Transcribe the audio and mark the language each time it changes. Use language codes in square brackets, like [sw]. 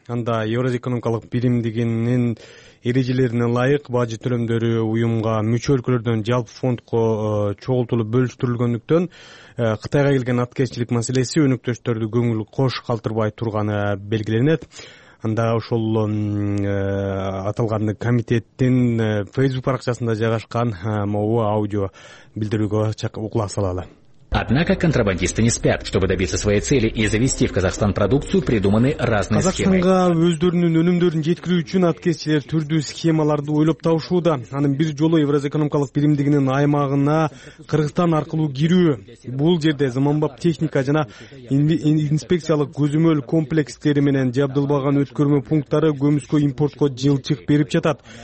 [ky] Анда Евразия экономикалык биримдигинин эрежелерине ылайык бажы төлөмдөрү уюмга мүчө өлкөлөрдөн жалпы фондко чогултулуп бөлүштүрүлгөндүктөн Кытайга келген аткезчилик маселеси өнөктөштөрдү көңүл кош калтырбай турганы белгиленет. Анда ошол аталган комитеттин Facebook баракчасында жайгашкан могу аудио билдирүүгө кулак салалы. [ru] Однако контрабандисты не спят. Чтобы добиться своей цели и завести в Казахстан продукцию, придуманы разные схемы. [ky] Казахстанга өздөрүнүн өнүмдөрүн жеткирүү үчүн аткезчилер түрдүү схемаларды ойлоп табышууда. Анын бир жолу Евразия экономикалык биримдигинин аймагына Кыргызстан аркылуу кирүү. Бул жерде заманбап техника жана инспекциялык көзөмөл комплекстери менен жабдылбаган өткөрмө пункттары көмүскө импортко жылчык берип жатат.